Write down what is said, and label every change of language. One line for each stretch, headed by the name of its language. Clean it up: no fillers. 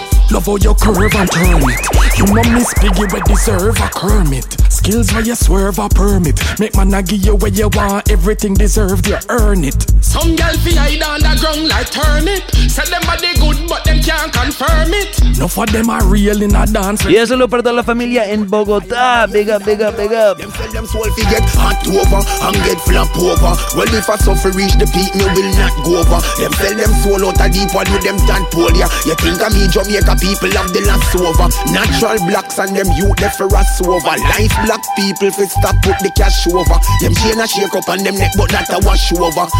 English: Love all your curve and turn it. You know Miss Piggy, we deserve a Kermit. Skills where you swerve a permit. Make man a give you what you want. Everything deserved, you earn it. Some girl fi hide on the ground like turnip. Say them a de good but them can't confirm it. No for them a real in a dance.
Spanish: Y eso lo para toda la familia en Bogotá.
English: Big up, big up, big up. Them sell them soul fi get hot over and get flop over. Well if I suffer reach the peak, me will not go over. Them sell them soul out a deep one with them tan pole, yeah. You think of me Jamaica people have the last over. Natural blacks and them youth they for us over. Life black people fi stop put the cash over. Them chain a shake up and them neck but not a wash over.